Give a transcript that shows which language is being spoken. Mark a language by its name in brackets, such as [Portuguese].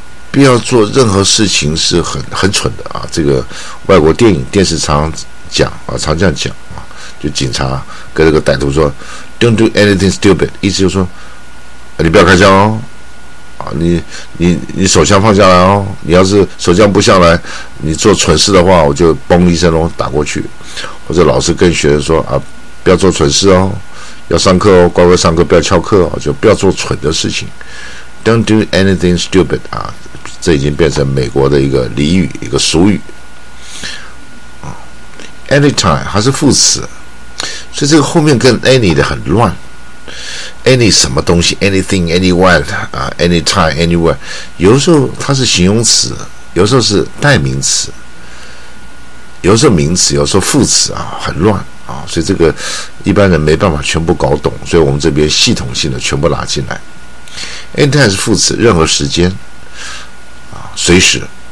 [Chinese] 不要做任何事情是很蠢的啊！这个外国电影电视常讲啊，常这样讲啊，就警察跟这个歹徒说 [English] "Don't do anything stupid"， [Chinese] 意思就是说、啊、你不要开枪哦，啊，你手枪放下来哦，你要是手枪不下来，你做蠢事的话，我就嘣一声哦打过去，或者老师跟学生说啊，不要做蠢事哦，要上课哦，乖乖上课，不要翘课哦，就不要做蠢的事情。 [English] Don't do anything stupid [Chinese] 啊，这已经变成美国的一个俚语，一个俗语。 Anytime 还是副词，所以这个后面跟 any 的很乱。 [English] Any [Chinese] 什么东西 [English] ？Anything, anyone 啊 ？Anytime, anywhere？ [Chinese] 有时候它是形容词，有时候是代名词，有时候名词，有时候副词啊，很乱啊。所以这个一般人没办法全部搞懂，所以我们这边系统性的全部拿进来。 Anytime 是副词，任何时间，随时。